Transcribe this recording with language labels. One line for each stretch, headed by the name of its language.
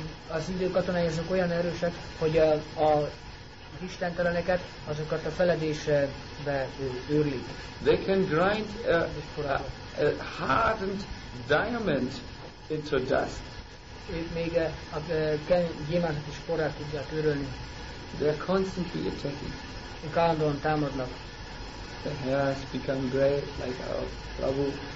Hungarian: Az idő katonái azok olyan erősek, hogy a istenteleneket, azokat a feledésbe őrlik.
English: They can grind a hardened diamond into dust.
Hungarian: Ők még a gyémántot is porrát tudják őrölni.
English: They are constantly attacking.
Hungarian: Ők állandóan támadnak.
English: The hair has become gray like our Prabhu.